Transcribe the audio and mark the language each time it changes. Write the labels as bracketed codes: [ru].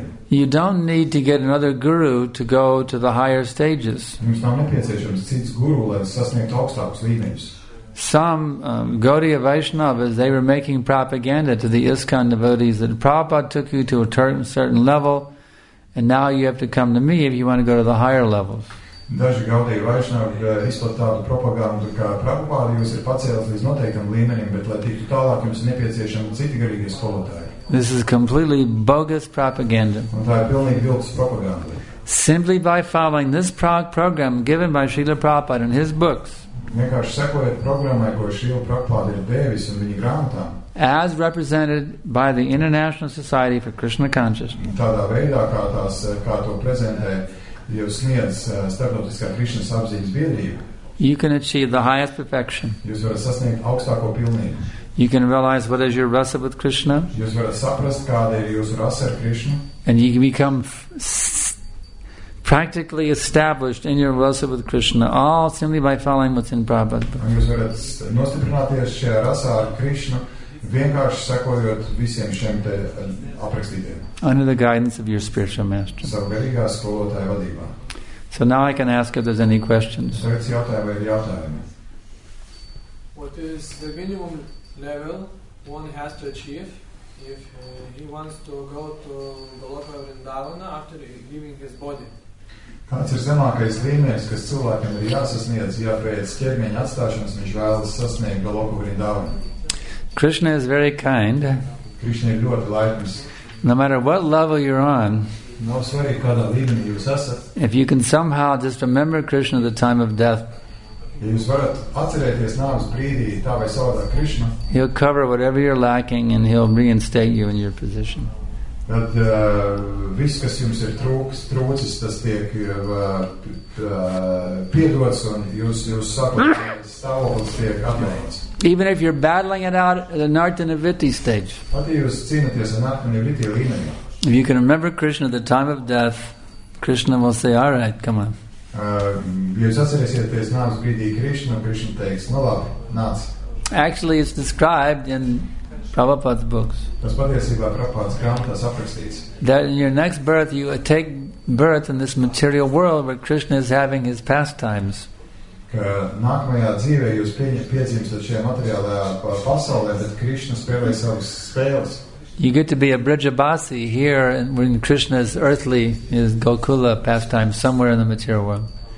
[en] You don't need to get another guru to go to the higher stages. Some Gaudiya Vaishnavas, they were making propaganda to the ISKCON devotees that Prabhupada took you to a certain level, and now you have to come to me if you want to go to the higher levels. [lv] Daži gaudēji vaišnāk izplat tādu propagandu, ka Prabhupāda jūs ir pacēlis līdz noteiktam līmenim, bet lai tiktu tālāk, jums ir nepieciešami citi garīgie skolotāji. [en] This is completely bogus propaganda. [lv] Un tā ir pilnīgi viltus propaganda. [en] Simply by following this program given by Srila Prabhupāda and his books. [lv] Vienkārši sekojot programmai, ko Srila Prabhupāda ir devis un viņa grāmatām. [en] As represented by the International Society for Krishna Consciousness. [lv] Tādā veidā, kā to prezentē, jūs sniedz starptautiskā Krišnas apziņas biedrība. [en] You can achieve the highest perfection. [lv] Jūs varat sasniegt augstāko pilnību. [en] You can realize what is your rasa with Krishna. [lv] Jūs varat saprast, kāda ir jūsu rasa ar Krishna. [en] And you can become practically established in your rasa with Krishna, all simply by following what's in Prabhupada. [lv] Jūs varat nostiprināties šajā rasā ar Krishna, vienkārši sekojot visiem šiem te aprakstītiem. [en] Under the guidance of your spiritual master. So now I can ask if there's any questions. What is the minimum level one has to achieve if he wants to go to Goloka Vrindavana after giving his body? [lv] Kāds ir zemākais līmenis, kas cilvēkam ir jāsasniedz, ja pēc ķermeņa atstāšanas viņš vēlas sasniegt Goloka Vrindavana? [en] Krishna is very kind. [lv] Krishna ir ļoti laipns. [en] No matter what level you're on, no, sorry, [lv] kādā līmenī jūs esat, [en] if you can somehow just remember Krishna at the time of death, [lv] ja jūs varat atcerēties nāves brīdī, tā vai savādā Krishna, [en] he'll cover whatever you're lacking and he'll reinstate you in your position. [lv] Tad viss, kas jums ir trūcis, tas tiek piedots un jūs sakot, stāvoklis tiek atmainīts. [en] Even if you're battling it out at the Nartanaviti stage. If you can remember Krishna at the time of death, Krishna will say, all right, come on. Actually, it's described in Prabhupada's books. That in your next birth, you take birth in this material world where Krishna is having his pastimes. [lv] Nākamajā dzīvē jūs piedzimstat šajā materiālajā pasaulē, bet Krishna spēlē savas spēles. [en] You get to be a Brijabasi here when Krishna's earthly is Gokula pastime somewhere in the material world.